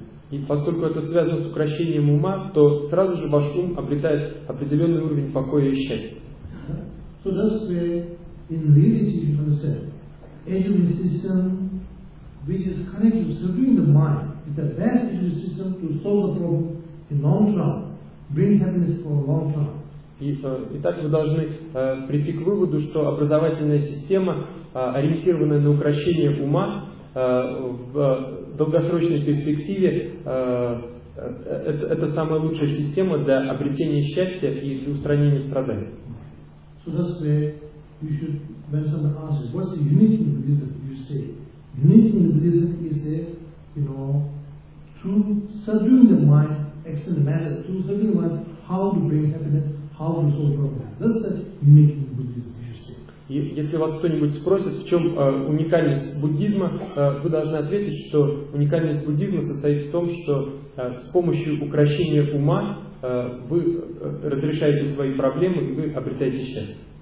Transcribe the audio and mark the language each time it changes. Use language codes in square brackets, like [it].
[ru] И поскольку это связано с укрощением ума, то сразу же ваш ум обретает определенный уровень покоя и счастья. [en] So that's where in reality you can say education system which is connected to subduing the mind is the best education system to solve the problem in long term, bring happiness for a long term. [ru] Итак, вы должны прийти к выводу, что образовательная система, ориентированная на укрощение ума, в долгосрочной перспективе это самая лучшая система для обретения счастья и для устранения страданий. [en] So that's where you should, when someone asks you, what's the unique in Buddhism, you say, unique in Buddhism is a, you know, to subduing the mind, external matter, to subduing the mind, how to bring happiness, how to solve problems. That's the unique in Buddhism. [ru] Если вас кто-нибудь спросит, в чем уникальность буддизма, вы должны ответить, что уникальность буддизма состоит в том, что с помощью укрощения ума вы разрешаете свои проблемы и вы обретаете счастье.